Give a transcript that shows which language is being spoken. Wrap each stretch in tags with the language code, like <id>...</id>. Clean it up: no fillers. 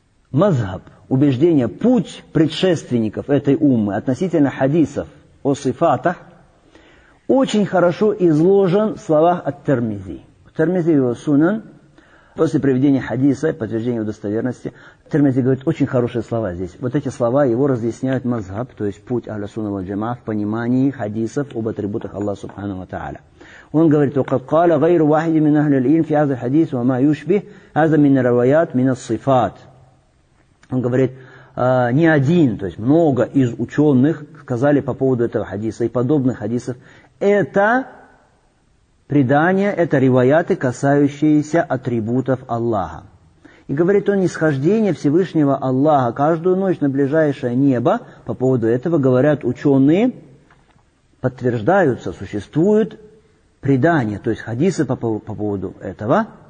<ru>Мазхаб, убеждение, путь предшественников этой уммы относительно хадисов о сифатах, очень хорошо изложен в словах ат-Тирмизи. Ат-Тирмизи его Сунан. После приведения хадиса, подтверждения достоверности, Тирмизи говорит очень хорошие слова здесь. Вот эти слова его разъясняют мазхаб, то есть путь Ахля Сунна валь Джамаа в понимании хадисов об атрибутах Аллаха Субхана ва Тааля. Он говорит:</ru> <ar>وقد قال غير واحد من أهل العلم في هذا الحديث وما يشبه هذا من الروايات من الصفات.</ar> <ru>Он говорит, не один, то есть много из ученых сказали по поводу этого хадиса и подобных хадисов, это предания, это риваяты, касающиеся атрибутов Аллаха. И говорит он, нисхождение Всевышнего Аллаха каждую ночь на ближайшее небо, по поводу этого говорят ученые, подтверждаются, существуют предания, то есть хадисы по поводу этого.</ru>